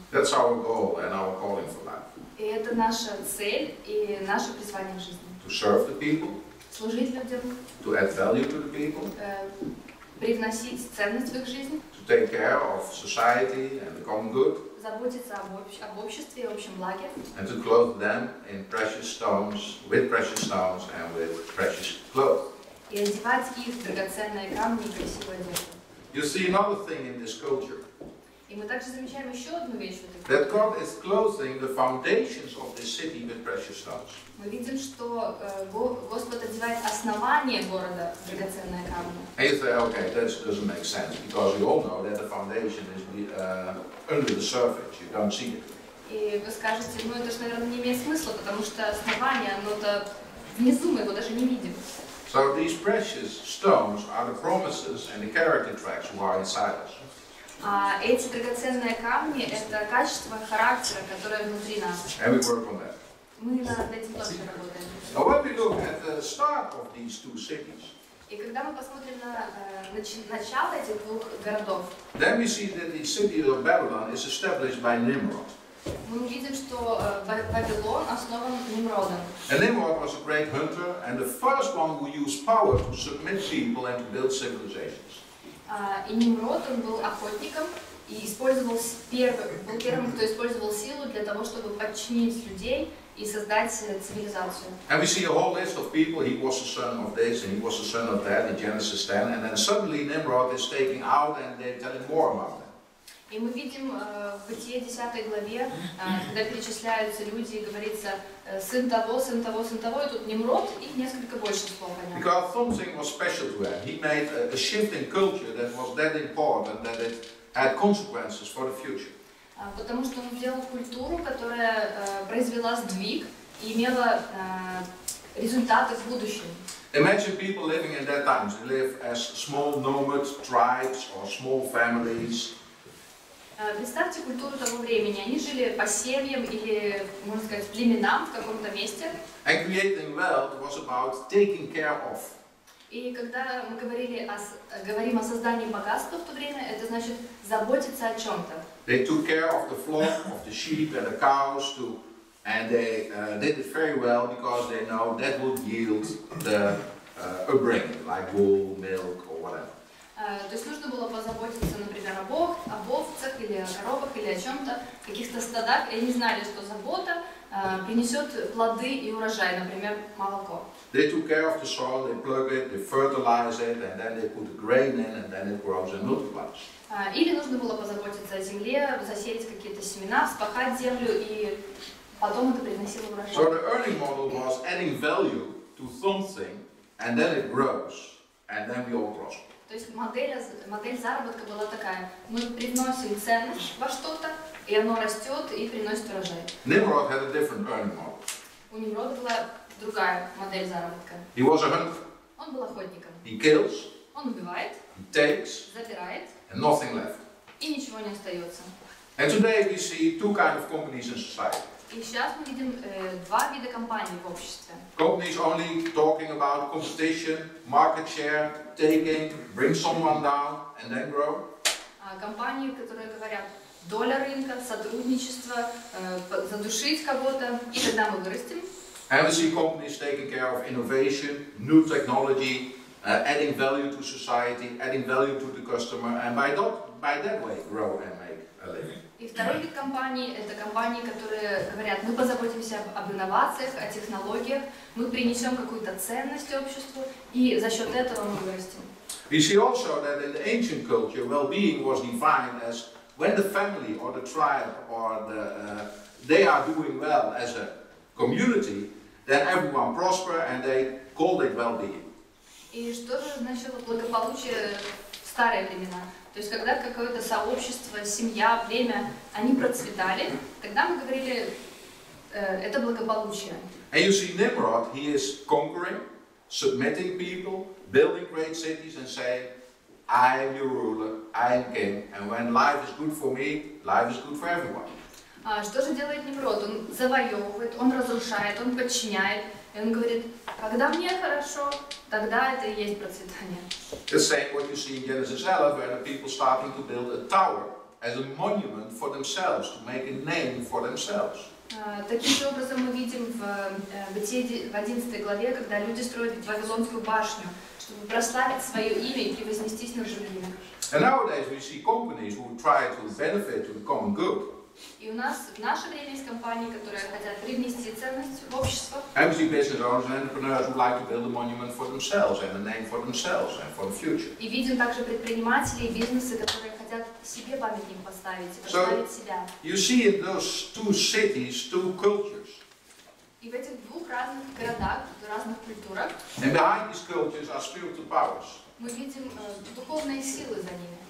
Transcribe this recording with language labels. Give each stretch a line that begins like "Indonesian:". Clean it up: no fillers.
English: That's our goal and our calling for life.
Russian: И это наша цель и наше призвание в жизни.
English: To serve the people.
Russian: Служить людям.
English: To add value to the people.
Russian: Привносить ценность в их жизнь.
English: To take care of society and the common good.
Russian: Заботиться об обществе и общем благе.
English: And to clothe them in precious stones, with precious stones and with precious clothes.
Russian: И одевать их в драгоценные камни и красивую одежду.
English: You see another thing in this culture.
Russian: И мы также замечаем еще одну вещь в этой
English: That God is clothing the foundations of this city with precious stones.
Russian: Мы видим, что Господь одевает основание города в драгоценные камни.
English: And you say, okay, that doesn't make sense, because we all know that the foundation is under the surface, you don't see it.
Russian: И вы скажете, ну это же, наверное, не имеет смысла, потому что основание, оно-то внизу, мы его даже не видим.
English: So these precious stones are the promises and the character traits who are inside us.
Russian: Эти драгоценные камни — это качество характера, которое внутри нас.
English: And we work on that.
Russian: Мы над этим тоже работаем.
English: Now when we look at the start of these two cities,
Russian: и когда мы посмотрим на начало этих двух городов,
English: then we see that the city of Babylon is established by Nimrod.
Russian: Мы увидим, что Вавилон основан Нимродом.
English: And Nimrod was a great hunter and the first one who used power to submit people and to build civilizations.
Russian: И Нимрод, он был охотником и использовал был первым, кто использовал силу для того, чтобы подчинить людей и создать цивилизацию.
English: And we see a whole list of people. He was the son of this and he was the son of that in Genesis 10. And then suddenly Nimrod is taken out and they tell him more about them.
Russian: И мы видим в Бытие 10 главе, когда перечисляются люди, говорится сын того, сын того, сын того, и тут Нимрод и несколько больше слов.
English: Because something was special to him. He made a shift in culture that was that important that it had consequences for the future.
Russian: Потому что он сделал культуру, которая произвела сдвиг и имела результаты в будущем.
English: Imagine people living in that times. They live as small nomad tribes or small families.
Russian: Представьте культуру того времени. Они жили по семьям или, можно сказать, племенам в каком-то месте.
English: And creating wealth was about taking care of.
Russian: И когда мы говорим о создании богатства в то время, это значит заботиться о чем-то.
English: They took care of the flock, of the sheep and the cows too, and they did it very well because they know that would yield the bring, like wool, milk or whatever.
Russian: То есть нужно было позаботиться, например, об овцах или о коровах или о чем-то, каких-то стадах, и они знали, что забота принесет плоды и урожай, например, молоко.
English: They took care of the soil, they plug it, they fertilize it, and then they put the grain in, and then it grows and multiplies.
Russian: Или нужно было позаботиться о земле, засеять какие-то семена, вспахать землю, и потом это приносило урожай.
English: So the early model was adding value to something, and then it grows, and then we all prosper.
Russian: То есть модель заработка была такая. Мы приносим ценность во что-то, и оно растет и приносит урожай.
English: Nimrod had a different earning model.
Russian: У Nimrod была другая модель заработка.
English: He was a hunter.
Russian: Он был охотником.
English: He kills.
Russian: Он убивает.
English: He takes.
Russian: Забирает.
English: And nothing left.
Russian: И ничего не остается.
English: And today we see two kinds of companies in society.
Russian: И сейчас мы видим два вида компаний в обществе.
English: Companies only talking about competition, market share, taking, bring someone down, and then grow.
Russian: Компании, которые говорят доля рынка, сотрудничество, задушить кого-то, и тогда мы вырастем.
English: And we see companies taking care of innovation, new technology, adding value to society, adding value to the customer, and by that way grow and make a living.
Russian: И второй вид компаний – это компании, которые говорят, мы позаботимся об инновациях, о технологиях, мы принесем какую-то ценность обществу, и за счет этого мы вырастем.
English: We see also that in the ancient culture, well-being was defined as when the family or the tribe or the they are doing well as a community, then everyone prosper and they called it well-being.
Russian: И что же значило благополучие в старые времена? То есть когда какое-то сообщество, семья, племя, они процветали, тогда мы говорили, это благополучие.
English: And you see Nimrod, he is conquering, submitting people, building great cities and saying, I am your ruler, I am king, and when life is good for me, life is good for everyone.
Russian: Что же делает Нимрод? Он завоевывает, он разрушает, он подчиняет, и он говорит, когда мне хорошо, тогда это и есть процветание.
English: The same what you see in Genesis 11, where the people starting to build a tower as a monument for themselves, to make a name for themselves.
Russian: Таким же образом мы видим в 11 главе, когда люди строят Вавилонскую башню, чтобы прославить свое имя и превознестись над другими.
English: And nowadays we see companies who try to benefit to the common good.
Russian: И у нас в наше время есть компании, которые хотят привнести ценность в общество.
English: And we see business owners and entrepreneurs who like to build a monument for themselves and a name for themselves and for the future.
Russian: И видим также предприниматели и бизнесы, которые хотят себе памятник поставить, поставить себя.
English: You see in those two cities two cultures.
Russian: И в этих двух разных городах, в разных культурах.
English: And behind these cultures are spiritual powers.
Russian: Мы видим духовные силы за ними.